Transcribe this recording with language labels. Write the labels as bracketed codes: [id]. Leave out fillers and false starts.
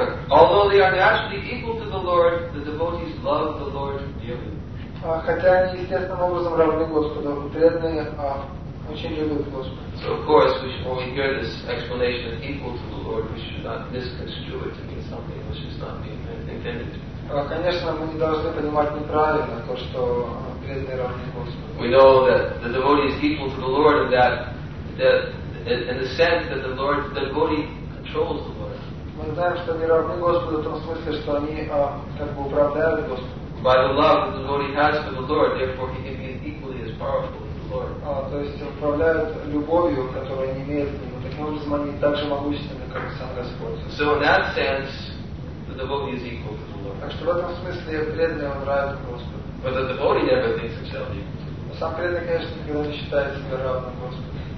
[en] Although they are naturally equal to the Lord, the devotees love the Lord dearly. So of course, we should, when we hear this explanation as equal to the Lord, we should not misconstrue it to mean something which is not being intended. [ru] Конечно, мы не должны понимать неправильно то, что преданные равны Господу. [en] We know that the devotee is equal to the Lord, and that in the sense that the devotee controls the Lord. [ru] Мы знаем, что они равны Господу в том смысле, что они как бы управляют Господом. [en] By the love that the devotee has for the Lord, therefore he can be equally as powerful. [ru] То есть управляют любовью, которая не имеет к нему. Таким образом, они так же могущественны, как и сам Господь. [en] So in that sense, the devotee is equal to the Lord. [ru] Так что в этом смысле преданный он равен Господу. [en] But the devotee never thinks himself equal. [ru] Сам преданный, конечно, никогда не считает себя равным Господу.